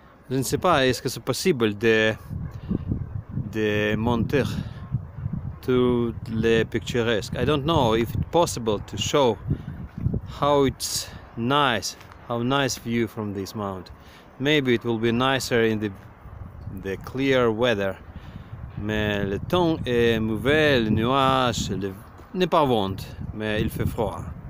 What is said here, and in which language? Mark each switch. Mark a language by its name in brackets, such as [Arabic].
[French] Je ne sais pas, est-ce que c'est possible de monter toutes les picturesques? [English] I don't know if it's possible to show how it's nice, how nice view from this mount. Maybe it will be nicer in the clear weather. [French] Mais le temps est mauvais, le nuage n'est pas bon, mais il fait froid.